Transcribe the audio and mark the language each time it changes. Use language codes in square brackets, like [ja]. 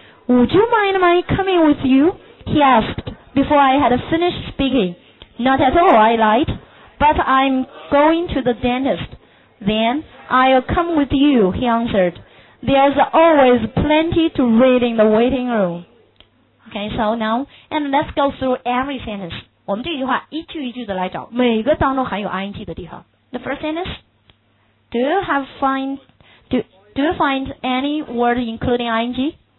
[en] Would you mind my coming with you? He asked before I had finished speaking. Not at all, I lied. But I'm going to the dentist. Then I'll come with you, he answered. There's always plenty to read in the waiting room. Okay, so now, and let's go through every sentence. [zh] 我们这句话一句一句的来找，每个当中含有 ing 的地方。 [en] The first sentence, do you find any word including ing?